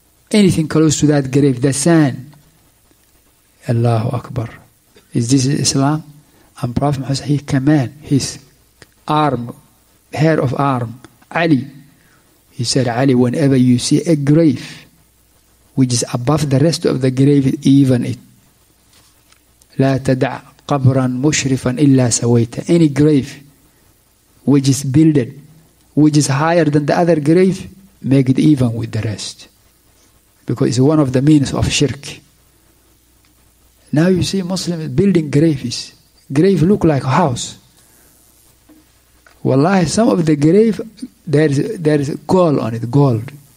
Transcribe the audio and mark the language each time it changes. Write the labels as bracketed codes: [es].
[en] Anything close to that grave, the sand. Allahu Akbar. Is this Islam? And Prophet Muhammad, he command his arm, hair of arm, Ali. He said, Ali, whenever you see a grave which is above the rest of the grave, even it. [ar] لا تدع قبرا مشرفا إلا سويته. [en] Any grave which is builded, which is higher than the other grave, make it even with the rest. Because it's one of the means of shirk. Now you see Muslims building graves. Grave look like a house. Wallahi, some of the grave, there is gold on it, gold.